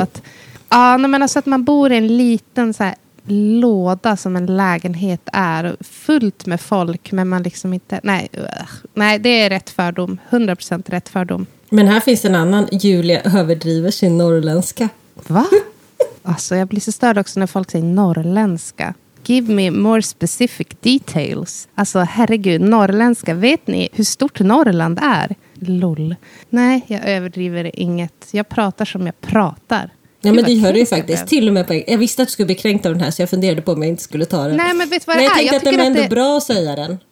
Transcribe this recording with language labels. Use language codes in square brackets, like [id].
[sv] Att, ja, men alltså att man bor i en liten så här låda som en lägenhet är. Fullt med folk, men man liksom inte... Nej, nej, det är rätt fördom. 100% rätt fördom. Men här finns en annan. Julia överdriver sin norrländska. Va? Alltså, jag blir så störd också när folk säger norrländska. [en] Give me more specific details. [sv] Alltså, herregud, norrländska. Vet ni hur stort Norrland är? Lol. Nej, jag överdriver inget. Jag pratar som jag pratar. Ja, men det hör du ju faktiskt. Till och med på, jag visste att du skulle bli kränkt av den här, så jag funderade på om jag inte skulle ta den. Nej, men vet du vad det är? Jag tänkte att det är ändå bra att säga den.